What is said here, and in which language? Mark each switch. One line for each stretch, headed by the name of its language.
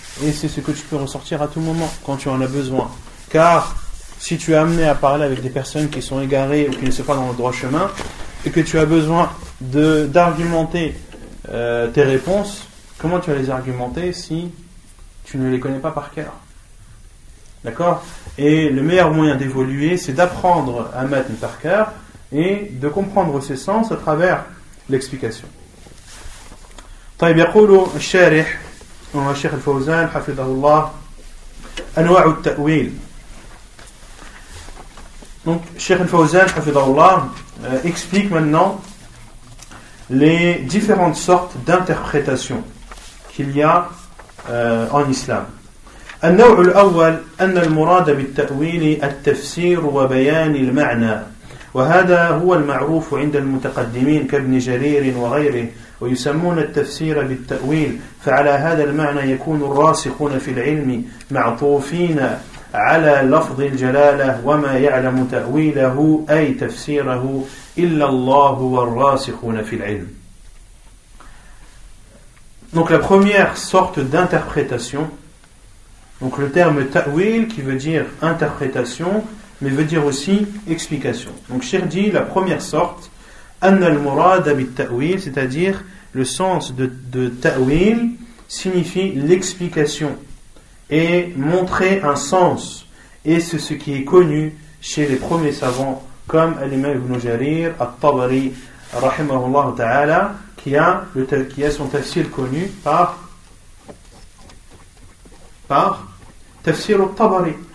French: Et c'est ce que tu peux ressortir à tout moment, quand tu en as besoin. Car si tu es amené à parler avec des personnes qui sont égarées ou qui ne sont pas dans le droit chemin, et que tu as besoin d'argumenter tes réponses, comment tu vas les argumenter si tu ne les connais pas par cœur? D'accord? Et le meilleur moyen d'évoluer, c'est d'apprendre à mettre par cœur et de comprendre ses sens à travers l'explication.
Arabic: طيب يقول الشارح وهو الشيخ الفوزان حفظه الله أنواع التأويل.
French: Donc, Cheikh Al-Fawzan, Hafidhahullah, explique maintenant les différentes sortes d'interprétations qu'il y a en islam.
Arabic: النوع الأول أن المراد بالتأويل التفسير وبيان المعنى وهذا هو المعروف عند المتقدمين كابن جرير وغيره ويسمون التفسير بالتأويل فعلى هذا المعنى يكون الراسخون في العلم معطوفين على لفظ الجلالة وما يعلم تأويله أي تفسيره إلا الله والراسخون في العلم.
French: Donc la première sorte d'interprétation, donc le terme ta'wil qui veut dire interprétation mais veut dire aussi explication. Donc Cheikh dit la première sorte
Arabic: أن المراد بالتأويل,
French: c'est-à-dire le sens de ta'wil signifie l'explication et montrer un sens, et c'est ce qui est connu chez les premiers savants comme Al-Imam Ibn Jarir At-Tabari rahimahullah ta'ala qui a son tafsir connu par tafsir At-Tabari.